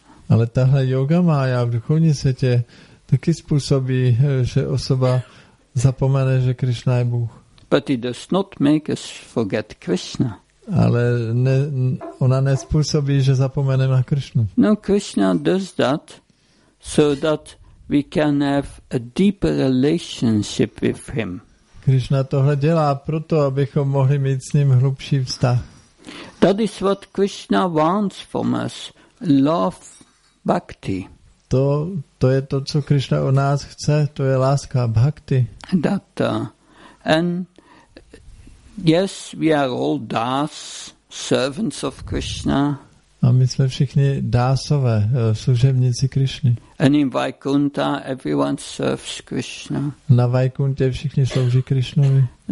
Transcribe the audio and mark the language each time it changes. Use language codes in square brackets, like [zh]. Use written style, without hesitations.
[cs] Ale tahle yoga maya v duchovní světě taky způsobí, že osoba zapomene, že Krishna je Bůh. [en] But it does not make us forget Krishna. [cs] Ale ne, ona nespůsobí, že zapomene na Krishnu. [en] No, Krishna does that so that we can have a deeper relationship with him. [cs] Krishna tohle dělá proto, abychom mohli mít s ním hlubší vztah. [en] That is what Krishna wants from us, love, bhakti. [cs] To je to, co Krishna od nás chce, to je láska, bhakti. [en] That, and yes, we are all das, servants of Krishna. [cs] A my jsme všichni dásové, služebníci Krishny. [en] And in Vaikuntha, everyone serves Krishna. [cs] Na Vaikuntě všichni slouží Krishnovi.